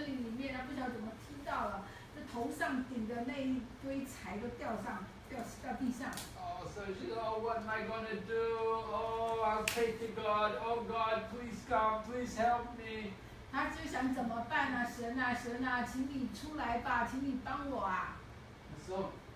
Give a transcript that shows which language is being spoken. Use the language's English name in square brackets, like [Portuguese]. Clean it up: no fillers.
[Chinese] 啊，Prabhupada说了一个故事，说有一个老女人，她就是我们说砍柴，有一天她经过森林里面，她不知道怎么踢到了。头上顶的那一堆柴都掉上，掉在地上。 [English] Oh, so she said, "Oh, what am I gonna do? Oh, I'll pray to God. Oh, God, please come, please help me." [Chinese] 他就想怎么办呢？神啊，神啊，请你出来吧，请你帮我啊。 [English] So,